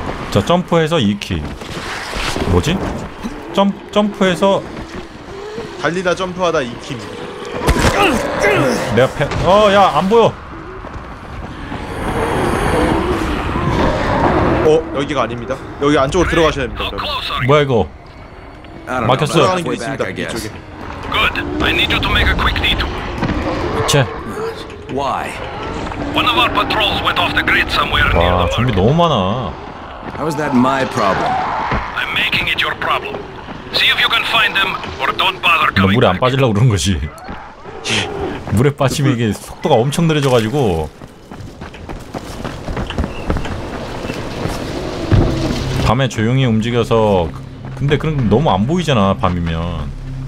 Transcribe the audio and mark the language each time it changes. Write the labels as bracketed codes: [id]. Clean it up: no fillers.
[ko] 자 점프해서 2키. 뭐지? 점프해서 달리다 점프하다 2키. 내가 야 안 보여. 여기가 아닙니다. 여기 안쪽으로 들어가셔야 됩니다. 뭐야 이거? 막혔어. 돌아가는 길 있습니다. 이쪽에. [en] Good. I need you to make a quick detour. [ko] 쟤. [en] Why? One of our patrols went off the grid somewhere near the market. [ko] 와, 좀비 너무 많아. [en] How is that my problem? I'm making it your problem. See if you can find them or don't bother coming. [ko] 물에 안 빠지려고 그런 거지. 물에 빠지면 이게 속도가 엄청 느려져 가지고. 밤에 조용히 움직여서. 근데 그런 거 너무 안 보이잖아 밤이면.